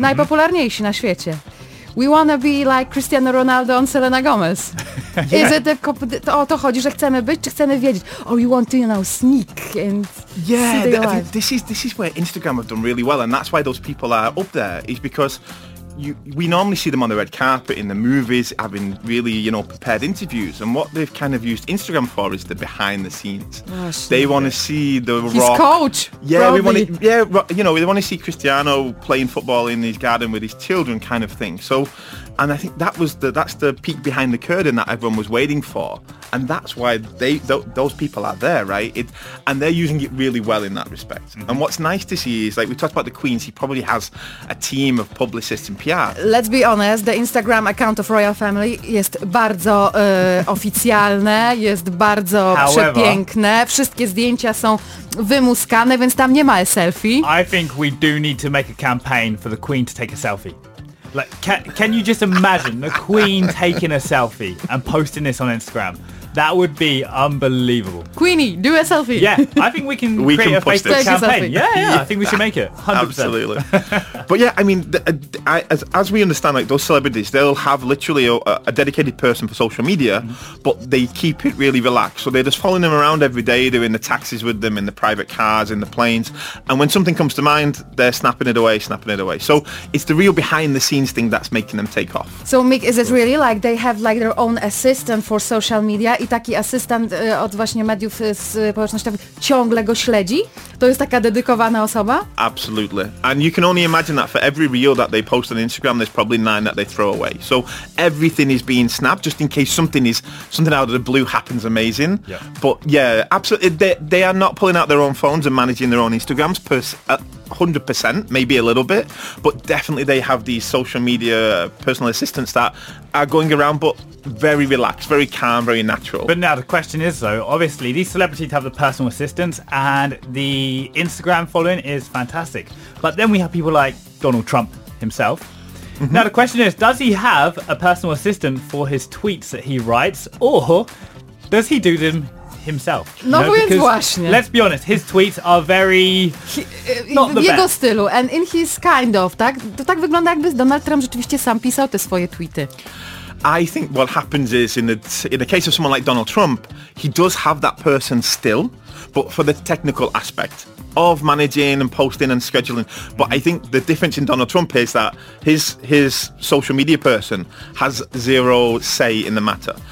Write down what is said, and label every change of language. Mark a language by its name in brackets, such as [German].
[Polish] Najpopularniejsi na świecie. [English] We wanna be like Cristiano Ronaldo and Selena Gomez. Is it [Polish] o to chodzi, że chcemy być, czy chcemy wiedzieć? [English] Or we want to, you know, sneak and yeah, see their life. This is where Instagram have done really well, and that's why those people are up there, is because we normally see them on the red carpet, in the movies, having really, you know, prepared interviews. And what they've kind of used Instagram for is the behind the scenes. Oh, they want to see the his Rock. His coach, yeah, probably. They want to see Cristiano playing football in his garden with his children kind of thing. So, and I think that's the peek behind the curtain that everyone was waiting for. And that's why those people are there, right? And they're using it really well in that respect. Mm-hmm. And what's nice to see is, like we talked about the Queens, he probably has a team of publicists and PR. Let's be honest, the Instagram account of Royal Family [Polish] jest bardzo oficjalne, jest bardzo przepiękne. Wszystkie zdjęcia są wymuskane, więc tam nie ma selfie. [English] I think we do need to make a campaign for the Queen to take a selfie. Like, can you just imagine the Queen taking a selfie and posting this on Instagram? That would be unbelievable. Queenie, do a selfie. Yeah, I think we can create a Facebook campaign. Yeah, I think we should make it. 100%. Absolutely. But yeah, I mean, as we understand, like those celebrities, they'll have literally a dedicated person for social media, but they keep it really relaxed. So they're just following them around every day. They're in the taxis with them, in the private cars, in the planes. And when something comes to mind, they're snapping it away. So it's the real behind the scenes thing that's making them take off. So Mick, is it really like they have like their own assistant for social media? [Polish] I taki asystent od właśnie mediów społecznościowych ciągle go śledzi? To jest taka dedykowana osoba? [English] Absolutely. And you can only imagine that for every reel that they post on Instagram, there's probably 9 that they throw away. So everything is being snapped just in case something out of the blue happens amazing. Yeah. But yeah, absolutely. They are not pulling out their own phones and managing their own Instagrams per se. 100%, maybe a little bit, but definitely they have these social media personal assistants that are going around, but very relaxed, very calm, very natural. But now the question is, though, obviously these celebrities have the personal assistants and the Instagram following is fantastic, but then we have people like Donald Trump himself. Mm-hmm. Now the question is, does he have a personal assistant for his tweets that he writes, or does he do them himself? [Polish] No, [English] you know, [Polish] więc właśnie. [English] Let's be honest, his tweets are very... not the [Polish] jego [English] best. [Polish] Stylu, [English] and in his kind of, [Polish] tak? To tak wygląda, jakby Donald Trump rzeczywiście sam pisał te swoje tweety. [English] I think what happens is, in the case of someone like Donald Trump, he does have that person still, but for the technical aspect of managing and posting and scheduling. But I think the difference in Donald Trump is that his social media person has zero say in the matter.